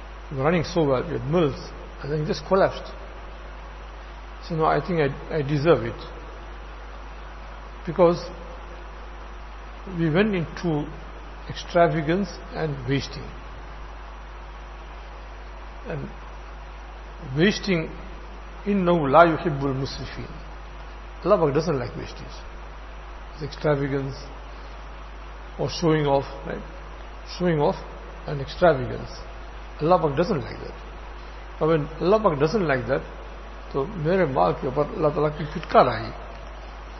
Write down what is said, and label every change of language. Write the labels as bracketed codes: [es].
[en] You were running so well. You had mills. And then you just collapsed. So no, I think I deserve it. Because we went into extravagance and wasting. And wasting, [ar] إِنَّهُ لَا يُحِبُّ الْمُسْرِفِينَ. [en] Allah doesn't like wastage. It's extravagance or showing off, right? Showing off and extravagance. Allah doesn't like that. But when Allah doesn't like that, so [ur] mere maal ke upar Allah Taala ki fitkar aayi.